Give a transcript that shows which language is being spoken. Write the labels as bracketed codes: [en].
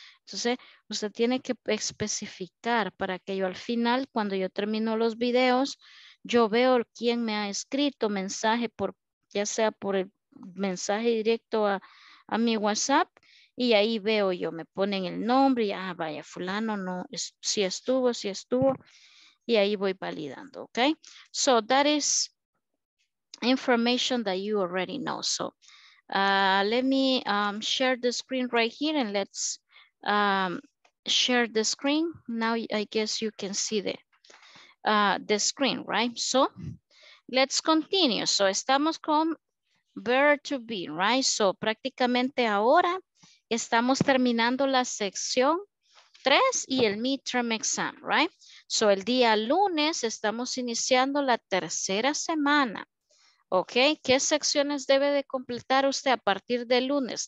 [es] Entonces, usted tiene que especificar para que yo al final, cuando yo termino los videos, yo veo quién me ha escrito mensaje, por ya sea por el mensaje directo a mi WhatsApp, y ahí veo yo, me ponen el nombre, y vaya, fulano, no, sí estuvo, y ahí voy validando, ¿ok? [en] So, that is information that you already know. So let me share the screen right here and let's share the screen. Now I guess you can see the screen, right? So let's continue. So [es] estamos con [en] verb to be, right? [es] So prácticamente ahora estamos terminando la sección 3 y el midterm exam, right? So el día lunes estamos iniciando la tercera semana. Ok, ¿qué secciones debe de completar usted a partir de lunes?